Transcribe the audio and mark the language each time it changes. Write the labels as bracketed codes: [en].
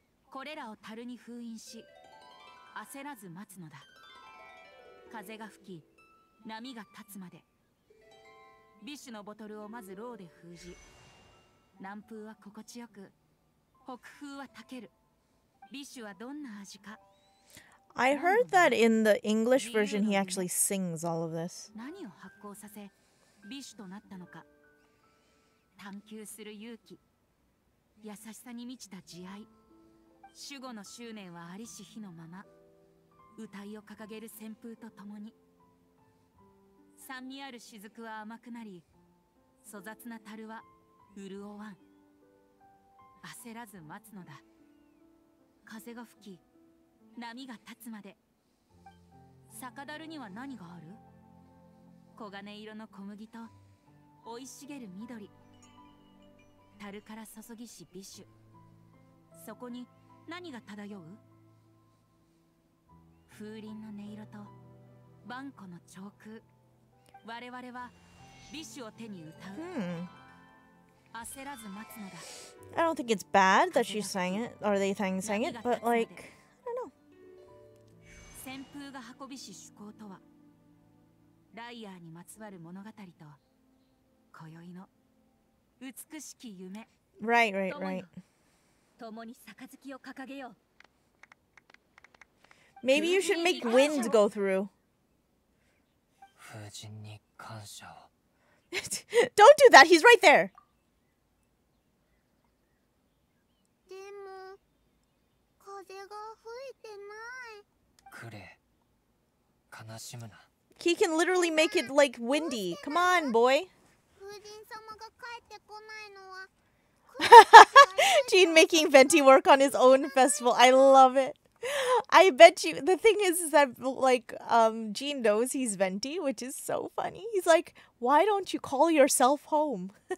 [ja] これらを樽に封印し焦らず待つのだ。風が吹き波が立つまで、ビシュのボトルをまずローで封じ、南風は心地よく、北風はたける。ビシュはどんな味か。 [en] I heard that in the English version, he actually sings all of this. [ja] 何を発酵させ、ビシュとなったのか。探求する勇気、優しさに満ちた慈愛、守護の執念はありし日のまま、歌いを掲げる旋風とともに。酸味ある雫は甘くなり、粗雑な樽は潤わん。焦らず待つのだ。風が吹き、波が立つまで。酒樽には何がある？黄金色の小麦と生い茂る緑、樽から注ぎし美酒。そこに何が漂う？風鈴の音色と万古の長空。我々は美酒を手に歌う。焦らず待つのだ。 [en] I don't think it's bad that she sang it, or they sang it, but like, I don't know. [ja] 旋風が運びし趣向とは、ライアーにまつわる物語と、今宵の美しき夢。 [en] Right, right, right. [ja] 共に杯を掲げよう。 [en] Maybe you should make wind go through. [ja] 風神に感謝を。 [en] Don't do that, he's right there! [ja] でも、風が吹いてない。クレー、悲しむな。 [en] He can literally make it like windy. Come on, boy. [ja] 風神様が帰ってこないのは。 [en] Gene making Venti work on his own festival. I love it. I bet you. The thing is that, like, Gene knows he's Venti, which is so funny. He's like, why don't you call yourself home?